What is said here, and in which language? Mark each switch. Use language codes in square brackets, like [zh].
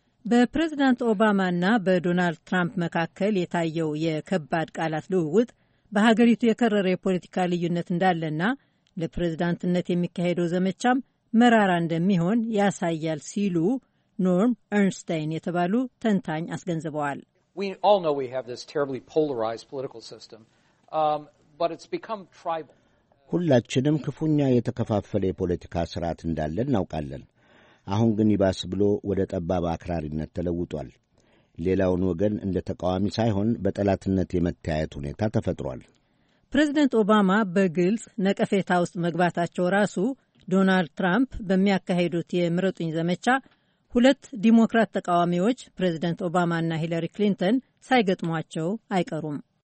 [am] በፕሬዝዳንት ኦባማና በዶናልድ ትራምፕ መካከል የታየው የከባድ ቃላት ልውውጥ በሀገሪቱ የከረረ የፖለቲካ ልዩነት እንዳለና ለፕሬዝዳንትነት የሚካሄደው ዘመቻም መራራ እንደሚሆን ያሳያል ሲሉ ኖርም ኤርንስታይን የተባሉ ተንታኝ አስገንዝበዋል። [en] We all know we have this terribly polarized political system, but it's become tribal. [am] ሁላችንም ክፉኛ የተከፋፈለ የፖለቲካ ስርዓት እንዳለን እናውቃለን። አሁን ግን ይባስ ብሎ ወደ ጠባብ አክራሪነት ተለውጧል። ሌላውን ወገን እንደ ተቃዋሚ ሳይሆን በጠላትነት የመታየት ሁኔታ ተፈጥሯል። ፕሬዚደንት ኦባማ በግልጽ ነቀፌታ ውስጥ መግባታቸው ራሱ ዶናልድ ትራምፕ በሚያካሄዱት የምረጡኝ ዘመቻ ሁለት ዲሞክራት ተቃዋሚዎች ፕሬዚደንት ኦባማና ሂለሪ ክሊንተን ሳይገጥሟቸው አይቀሩም።